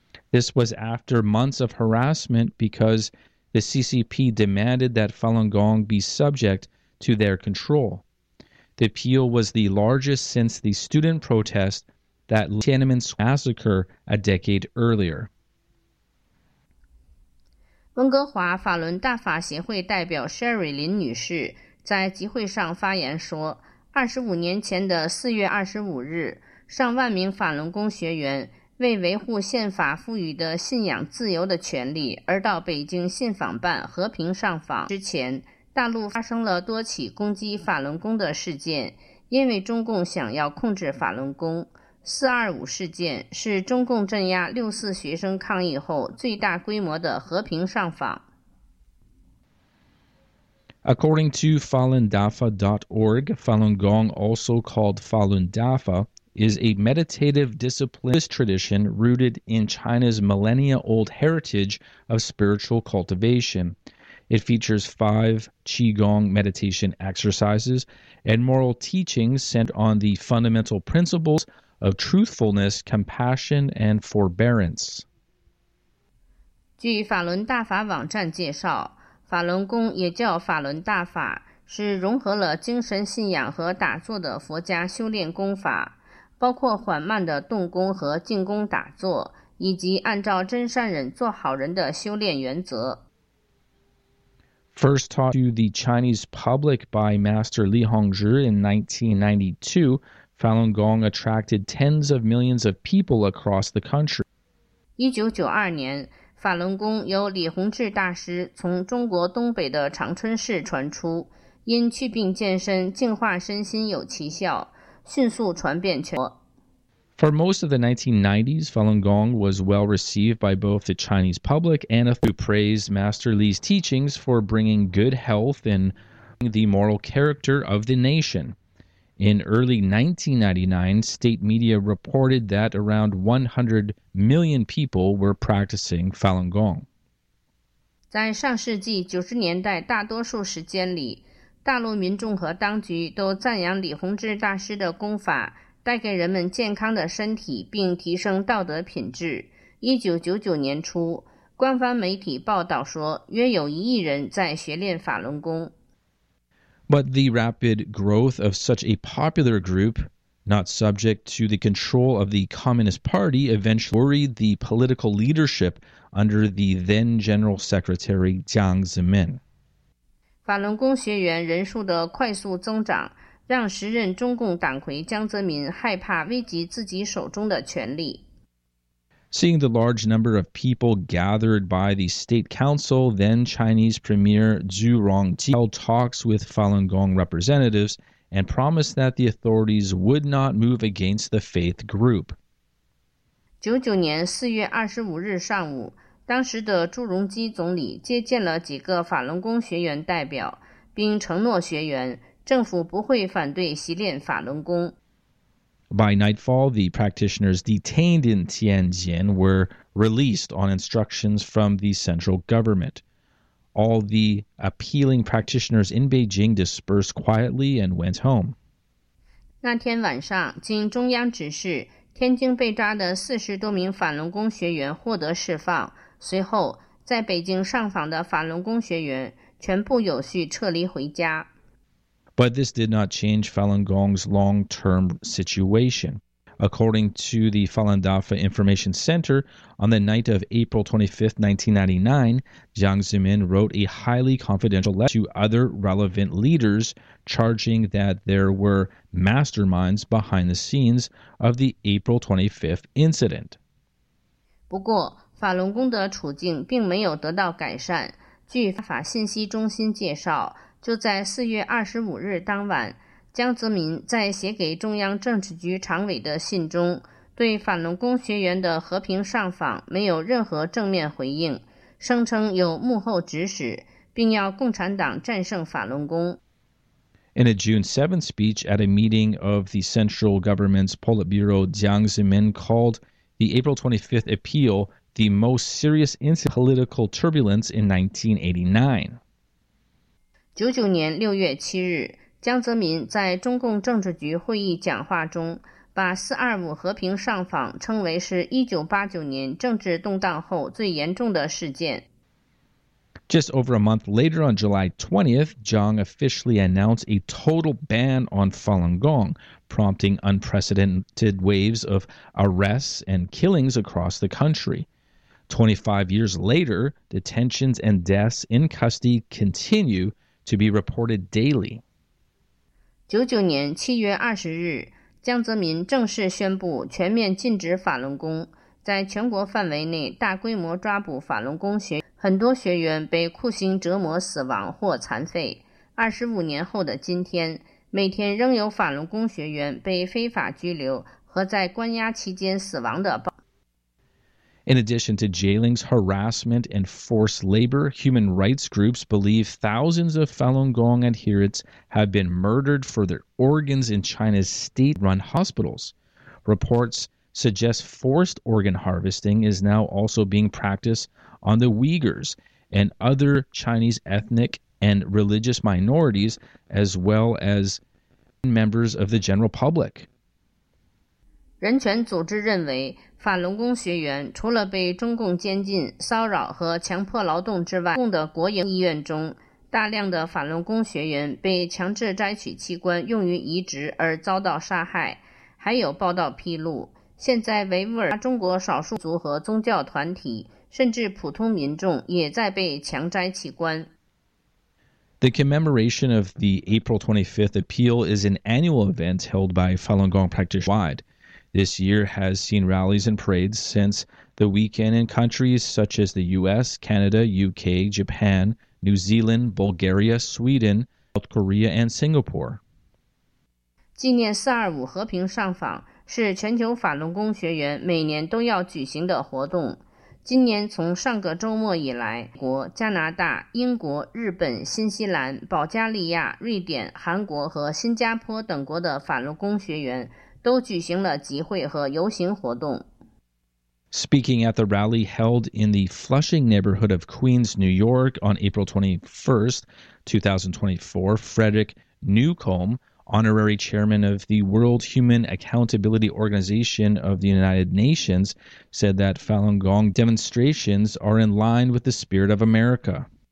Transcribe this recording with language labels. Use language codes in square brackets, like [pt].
[en] This was after months of harassment because the CCP demanded that Falun Gong be subject to their control. The appeal was the largest since the student protest that Tiananmen massacre a decade earlier. [zh] 温哥华法轮大法协会代表 Sherry 林女士在集会上发言说，25年前的4月25日，上万名法轮功学员为维护宪法赋予的信仰自由的权利而到北京信访办和平上访之前，大陆发生了多起攻击法轮功的事件，因为中共想要控制法轮功。 425事件是中共镇压64学生抗议后最大规模的和平上访。 [en] According to FalunDafa.org, Falun Gong, also called Falun Dafa, is a meditative discipline. This tradition, rooted in China's millennia-old heritage of spiritual cultivation, it features 5 qigong meditation exercises and moral teachings centered on the fundamental principles of truthfulness, compassion, and forbearance. [zh] 据法轮大法网站介绍，法轮功也叫法轮大法，是融合了精神信仰和打坐的佛家修炼功法，包括缓慢的动功和静功打坐，以及按照真善忍做好人的修炼原则。 [en] First taught to the Chinese public by Master Li Hongzhi in 1992,Falun Gong attracted tens of millions of people across the country. [zh] 1992年，法轮功由李洪志大师从中国东北的长春市传出，因祛病健身、净化身心有奇效，迅速传遍全国。 [en] For most of the 1990s, Falun Gong was well received by both the Chinese public and who praised Master Li's teachings for bringing good health and the moral character of the nation. In early 1999, state media reported that around 100 million people were practicing Falun Gong. [zh] 在上世纪90年代大多数时间里，大陆民众和当局都赞扬李洪志大师的功法带给人们健康的身体并提升道德品质。 1999年初，官方媒体报道说约有一亿人在学练法轮功。 [en] But the rapid growth of such a popular group, not subject to the control of the Communist Party, eventually worried the political leadership under the then General Secretary Jiang Zemin. [zh] 法轮功学员人数的快速增长让时任中共党魁江泽民害怕危及自己手中的权力。 [en] Seeing the large number of people gathered by the State Council, then Chinese Premier Zhu Rongji held talks with Falun Gong representatives and promised that the authorities would not move against the faith group. [zh] 99年4月25日上午，当时的朱镕基总理接见了几个法轮功学员代表，并承诺学员，政府不会反对习练法轮功。 [en] By nightfall, the practitioners detained in Tianjin were released on instructions from the central government. All the appealing practitioners in Beijing dispersed quietly and went home. [zh] 那天晚上，经中央指示，天津被抓的40多名法轮功学员获得释放。随后，在北京上访的法轮功学员全部有序撤离回家。 [en] But this did not change Falun Gong's long-term situation. According to the Falun Dafa Information Center, on the night of April 25, 1999, Jiang Zemin wrote a highly confidential letter to other relevant leaders charging that there were masterminds behind the scenes of the April 25th incident. [zh] 不过，法轮功的处境并没有得到改善。据法信息中心介绍，就在4月25日当晚，江泽民在写给中央政治局常委的信中，对法轮功学员的和平上访没有任何正面回应，声称有幕后指使，并要共产党战胜法轮功。 [en] In a June 7 speech at a meeting of the central government's Politburo, Jiang Zemin called the April 25th appeal the most serious incident political turbulence in 1989. [zh] 99年6月7日，江泽民在中共政治局会议讲话中把425和平上访称为是1989年政治动荡后最严重的事件。 [en] Just over a month later, on July 20th, Zhang officially announced a total ban on Falun Gong, prompting unprecedented waves of arrests and killings across the country. 25 years later, the tensions and deaths in custody continue to be reported daily. [zh] 99年7月20日，江泽民正式宣布全面禁止法轮功，在全国范围内大规模抓捕法轮功学员，很多学员被酷刑折磨死亡或残废。 25年后的今天，每天仍有法轮功学员被非法拘留和在关押期间死亡的报。 [en] In addition to jailings, harassment, and forced labor, human rights groups believe thousands of Falun Gong adherents have been murdered for their organs in China's state-run hospitals. Reports suggest forced organ harvesting is now also being practiced on the Uyghurs and other Chinese ethnic and religious minorities, as well as members of the general public. [zh] 人权组织认为，法轮功学员除了被中共监禁、骚扰和强迫劳动之外，共的国营医院中，大量的法轮功学员被强制摘取器官用于移植而遭到杀害。还有报道披露，现在维吾尔、中国少数族和宗教团体，甚至普通民众也在被强摘器官。 [en] The commemoration of the April 25th appeal is an annual event held by Falun Gong practitioners worldwide. This year has seen rallies and parades since the weekend in countries such as the US, Canada, UK, Japan, New Zealand, Bulgaria, Sweden, South Korea, and Singapore. [zh] 纪念425和平上访是全球法轮功学员每年都要举行的活动。今年从上个周末以来，美国、加拿大、英国、日本、新西兰、保加利亚、瑞典、韩国和新加坡等国的法轮功学员都举行了集会和游行活动。 [en] Speaking at the rally held in the Flushing neighborhood of Queens, New York on April 21st, 2024, Frederick Newcomb, honorary chairman of the World Human Accountability Organization of the United Nations, said that Falun Gong demonstrations are in line with the spirit of America.